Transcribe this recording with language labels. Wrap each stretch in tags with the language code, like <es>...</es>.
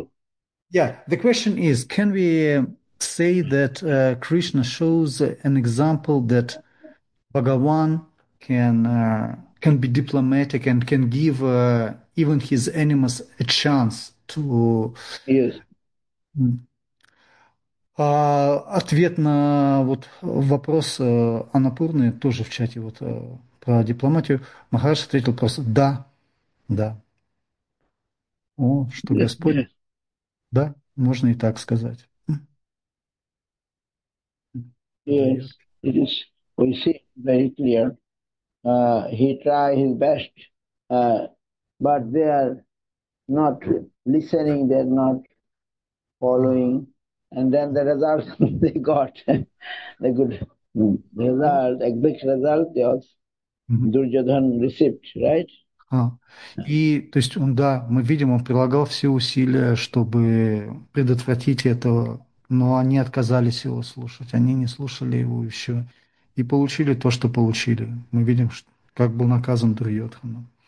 <en>oh, yeah, the question is, can we say that Krishna shows an example that Bhagavan can be diplomatic and can give even his enemies a chance to Yes.</en> <ru>ответ на вот вопрос Анапурны тоже в чате вот про дипломатию. Махараш ответил просто да. Да. О, что Господь. Да, можно и так сказать. Дает.</ru> <en>Yes, it is. We see very clear. He try his best, but they are not listening. They are not following, and then the results they got, the good result, big result, Duryodhan received, right?</en> <ru>И то есть он, да, мы видим, он прилагал все усилия, чтобы предотвратить это, но они отказались его слушать, они не слушали его еще и получили то, что получили. Мы видим, как был наказан Дурьотхана.</ru>